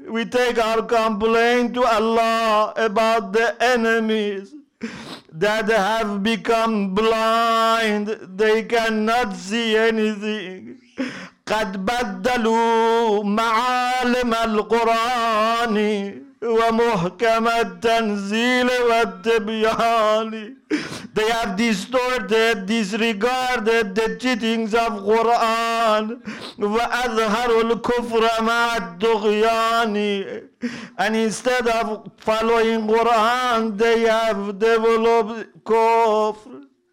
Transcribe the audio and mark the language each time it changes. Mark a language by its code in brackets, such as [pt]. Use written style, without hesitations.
[en] We take our complaint to Allah about the enemies that have become blind. They cannot see anything. [ar] قد بدلوا معالم القرآن ومحكم التنزيل والتبيان. [en] They have distorted, disregarded the teachings of Quran. [ar] وَأَظْهَرُ الْكُفْرَ مَعَ الدُّغْيَانِ. [en] And instead of following Quran, they have developed kufr.